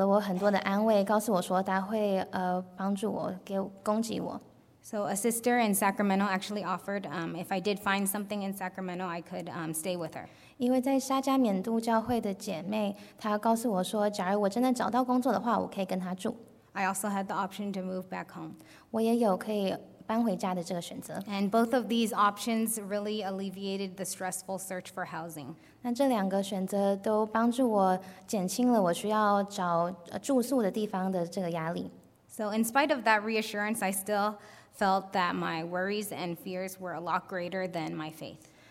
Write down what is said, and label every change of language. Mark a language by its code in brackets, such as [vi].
[zh] 但这段时期,神给了我很多的安慰,告诉我说他会, 帮助我,给我,供给我。 [en] So a sister in Sacramento actually offered, if I did find something in Sacramento, I could stay with her. [zh] 因为在沙加缅度教会的姐妹,她告诉我说,假如我真的找到工作的话,我可以跟她住。 [en] I also had the option to move back home. [zh] 我也有可以搬回家的这个选择。 [en] And both of these options really alleviated the stressful search for housing. [zh] 那这两个选择都帮助我减轻了我需要找住宿的地方的这个压力。 [en] So in spite of that reassurance, I still felt that my worries and fears were a lot greater than my faith.